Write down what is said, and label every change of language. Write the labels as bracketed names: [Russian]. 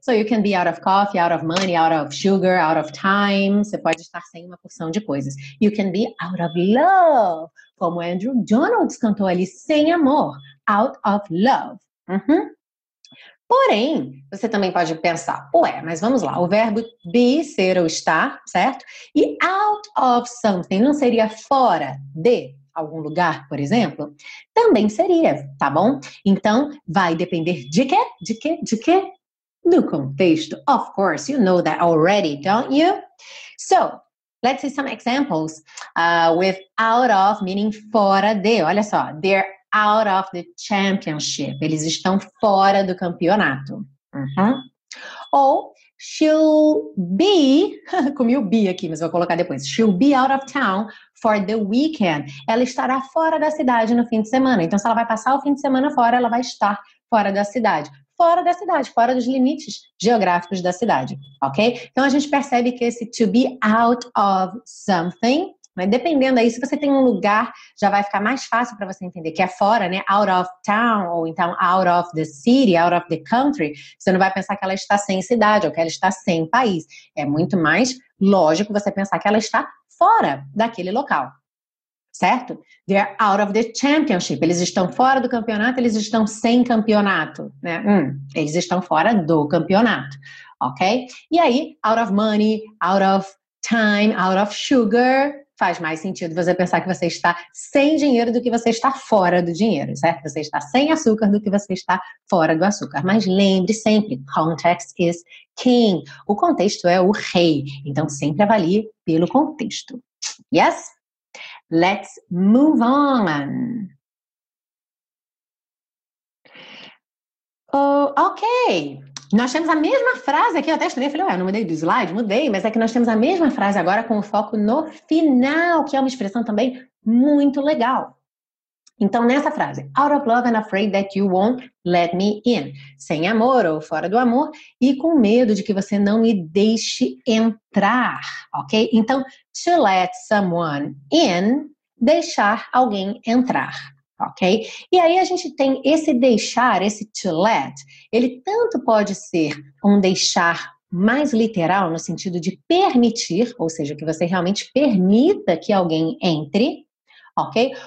[English] So, you can be out of coffee, out of money, out of sugar, out of time. [Portuguese] Você pode estar sem uma porção de coisas. [English] You can be out of love, [Portuguese] como Andrew Donalds cantou ali, sem amor. [English] Out of love. [Portuguese] Uhum. Porém, você também pode pensar, ué, mas vamos lá, o verbo be, ser ou estar, certo? E out of something não seria fora de algum lugar, por exemplo? Também seria, tá bom? Então, vai depender de quê? De quê? De quê? No contexto. [English] Of course, you know that already, don't you? So, let's see some examples with out of meaning [Portuguese] fora de. Olha só, [English] there are. Out of the championship. [Portuguese] Eles estão fora do campeonato. Uhum. Ou, [English] she'll be... [Portuguese] comi o be aqui, mas vou colocar depois. [English] She'll be out of town for the weekend. [Portuguese] Ela estará fora da cidade no fim de semana. Então, se ela vai passar o fim de semana fora, ela vai estar fora da cidade. Fora da cidade, fora dos limites geográficos da cidade. Ok? Então, a gente percebe que esse [English] to be out of something... [Portuguese] Mas dependendo aí, se você tem um lugar, já vai ficar mais fácil para você entender que é fora, né? [English] Out of town, [Portuguese] ou então [English] out of the city, out of the country. [Portuguese] Você não vai pensar que ela está sem cidade, ou que ela está sem país. É muito mais lógico você pensar que ela está fora daquele local. Certo? [English] They're out of the championship. [Portuguese] Eles estão fora do campeonato, eles estão sem campeonato, né? Eles estão fora do campeonato, ok? E aí, [English] out of money, out of time, out of sugar... [Portuguese] Faz mais sentido você pensar que você está sem dinheiro do que você está fora do dinheiro, certo? Você está sem açúcar do que você está fora do açúcar. Mas lembre sempre, [English] context is king. [Portuguese] O contexto é o rei. Então, sempre avalie pelo contexto. Yes? [English] Let's move on. [Portuguese] Oh, ok. Nós temos a mesma frase aqui, eu até estranhei, falei, ué, não mudei do slide, mudei, mas é que nós temos a mesma frase agora com o foco no final, que é uma expressão também muito legal. Então, nessa frase, [English] out of love and afraid that you won't let me in. [Portuguese] Sem amor ou fora do amor e com medo de que você não me deixe entrar, ok? Então, [English] to let someone in, [Portuguese] deixar alguém entrar. Ok? E aí a gente tem esse deixar, esse to let, ele tanto pode ser um deixar mais literal no sentido de permitir, ou seja, que você realmente permita que alguém entre, ok?